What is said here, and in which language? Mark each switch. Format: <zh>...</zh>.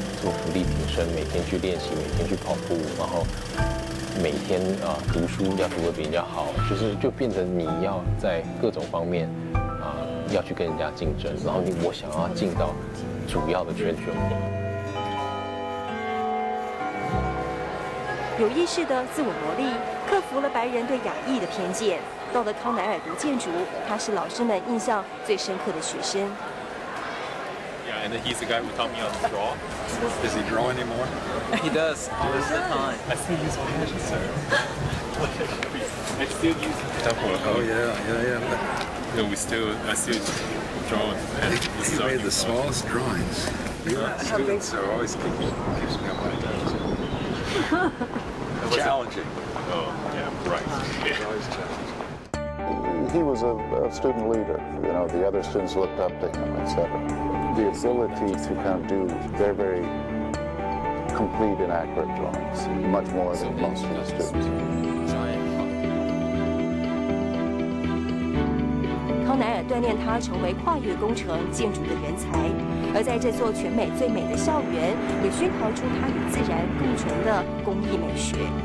<zh>做浮力挺身，每天去练习，每天去跑步，然后每天读书要读得比人家好，就变成你要在各种方面要去跟人家竞争，然后我想要进到主要的圈圈。有意识的自我磨砺，克服了白人对亚裔的偏见。到了康乃尔读建筑，他是老师们印象最深刻的学生。</zh> <en>And then he's the guy who taught me how to draw. Does he draw anymore? He does, all the time. I still use my hands, sir. I still use my hands. Oh, yeah. But... No, I still draw with my hands. He made the smallest drawings. Students are always keeps me on my toes. Challenging. Oh, yeah, right. Yeah. Always challenging. He was a student leader, you know, the other students looked up to him, etc. The ability to kind of do very, very complete and accurate drawings, much more than most of the students.</en> <zh>康乃尔锻炼他成为跨越工程建筑的人才，而在这座全美最美的校园，也熏陶出他与自然共存的工艺美学。</zh>